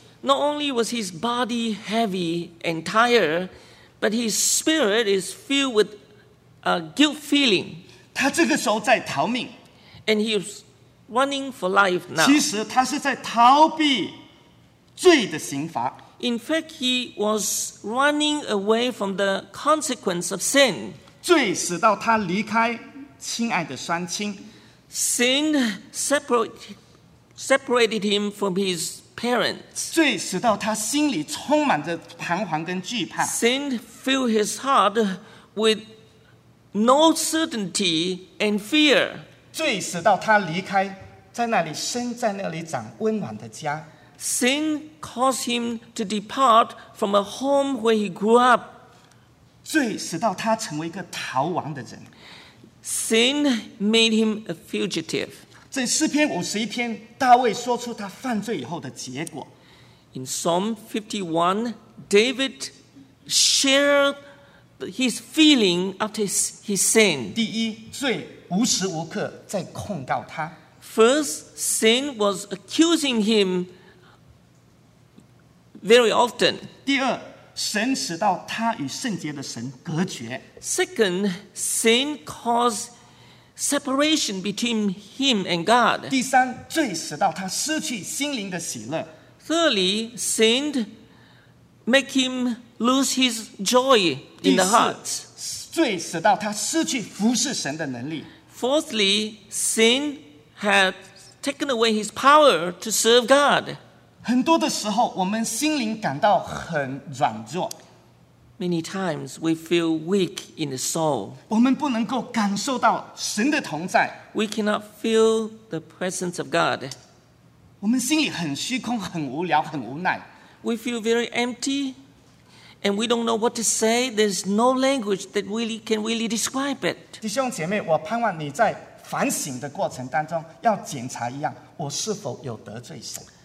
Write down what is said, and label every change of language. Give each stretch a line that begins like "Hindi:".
English: Not only was his body heavy and tired, but his spirit is filled with a guilt feeling.
Chinese: 他这个时候在逃命
English: ，and he is running for life now.
Chinese: 其实他是在逃避罪的刑罚。
English: In fact, he was running away from the consequence of sin.
Chinese: 罪使到他离开亲爱的双亲。
English: Sin separated him from his parents.
Chinese: 罪使到他心里充满着彷徨跟惧怕。
English: Sin filled his heart with no certainty and fear.
Chinese: 罪使到他离开，在那里生，在那里长温暖的家。
English: Sin caused him to depart from a home where he grew up.
Chinese: 罪使到他成为一个逃亡的人。
English: Sin made him a fugitive.
Chinese: 在诗篇51篇，大卫说出他犯罪以后的结果。
English: In Psalm 51, David shared. His feeling after his sin.
Chinese: 第一，罪无时无刻在控告他。
English: First, sin was accusing him very often.
Chinese: 第二，神使到他与圣洁的神隔绝。
English: Second, sin caused separation between him and God.
Chinese: 第三，罪使到他失去心灵的喜乐。
English: Thirdly, sin made him lose his joy. In the heart.
Chinese: 罪使到他失去服侍神的能力。
English: Fourthly, sin had taken away his power to serve God.
Chinese: 很多的时候，我们心灵感到很软弱。
English: Many times we feel weak in the soul.
Chinese: 我们不能够感受到神的同在。
English: We cannot feel the presence of God.
Chinese: 我们心里很虚空，很无聊，很无奈。
English: We feel very empty. And we don't know what to say. There's no language that really can really describe it.
Chinese: 弟兄姐妹，我盼望你在反省的过程当中，要检查一样，我是否有得罪神。